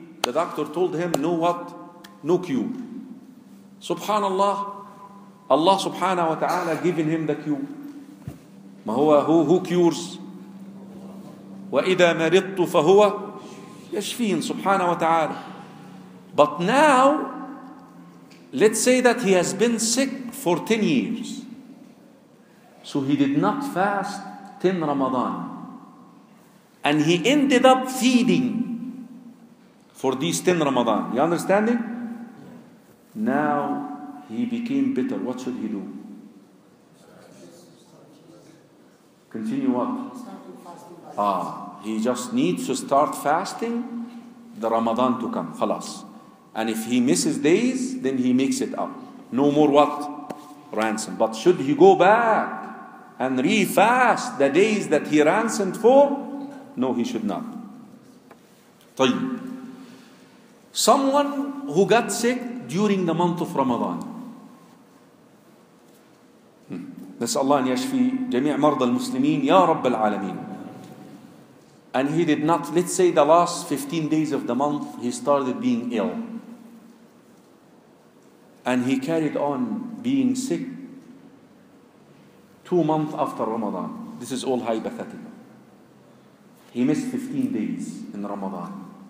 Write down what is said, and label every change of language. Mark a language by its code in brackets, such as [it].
[en] The doctor told him no what, no cure. [ar] سبحان الله. [en] Allah سبحانه وتعالى given him the cure. [ar] ما هو [en] who cures. [ar] وإذا مرضت فهو يشفين سبحانه وتعالى. [en] But now, let's say that he has been sick for 10 years. So he did not fast 10 Ramadan. And he ended up feeding for these 10 Ramadan. You understanding? Now he became bitter. What should he do? Continue what? He just needs to start fasting the Ramadan to come. [ar] خلاص. [en] And if he misses days, then he makes it up. No more what? Ransom. But should he go back and re-fast the days that he ransomed for? No, he should not. [ar] طيب. [en] Someone who got sick during the month of Ramadan. [ar] نسأل الله أن يشفي جميع مرضى المسلمين يا رب العالمين. [en] And he did not, let's say the last 15 days of the month, he started being ill. And he carried on being sick 2 months after Ramadan. This is all hypothetical. He missed 15 days in Ramadan.